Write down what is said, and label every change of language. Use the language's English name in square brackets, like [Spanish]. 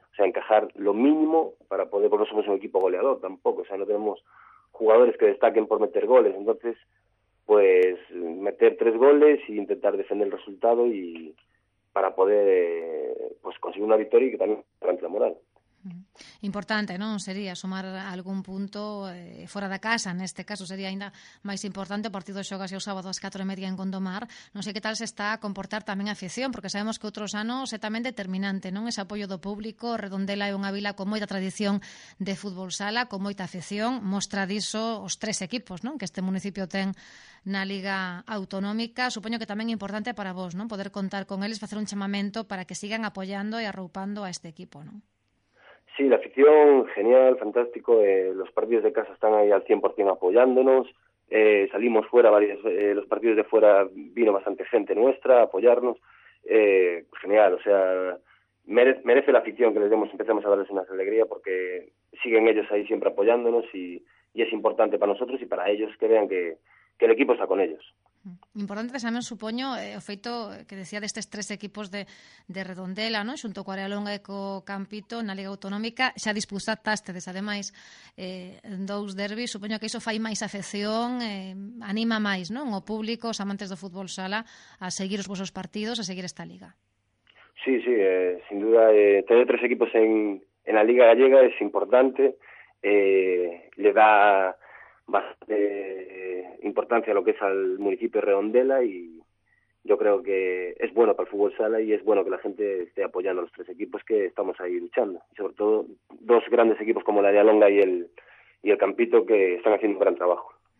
[Spanish] O sea, encajar lo mínimo para poder, porque no somos un equipo goleador tampoco, o sea, no tenemos jugadores que destaquen por meter goles, entonces, pues meter tres goles e intentar defender el resultado y para poder pues conseguir una victoria y que también levante la moral. [Galician] Importante, non? Sería sumar algún punto fora da casa, neste caso sería aínda máis importante. O partido xogase o sábado ás 4:30 en Gondomar. Non sei que tal se está a comportar tamén a afición, porque sabemos que outros anos é tamén determinante, non? Ese apoio do público. Redondela é unha vila con moita tradición de fútbol sala, con moita afección. Mostra diso os tres equipos, non? Que este municipio ten na Liga Autonómica. Supoño que tamén é importante para vos, non? Poder contar con eles, facer un chamamento para que sigan apoyando e arroupando a este equipo, non? [Spanish] Sí, la afición, genial, fantástico. Los partidos de casa están ahí al 100% apoyándonos. Salimos fuera, los partidos de fuera vino bastante gente nuestra a apoyarnos. Genial, o sea, merece la afición que les demos, empecemos a darles una alegría, porque siguen ellos ahí siempre apoyándonos y es importante para nosotros y para ellos que vean que el equipo está con ellos. [Galician] Importante tamén, supoño, o feito que decía destes tres equipos de Redondela, non? Xunto co Arealonga e co Campito na Liga Autonómica, xa disputastedes ademais dous derbis, supoño que iso fai máis afección, anima máis, non? O público, os amantes do fútbol sala, a seguir os vosos partidos, a seguir esta liga. [Spanish] Sí, sí, sin duda, tener tres equipos en a Liga Gallega es importante, le da bastante importancia a lo que es al municipio de Redondela, y yo creo que es bueno para el fútbol sala y es bueno que la gente esté apoyando a los tres equipos que estamos ahí luchando, y sobre todo dos grandes equipos como la Arealonga y el Campito, que están haciendo un gran trabajo.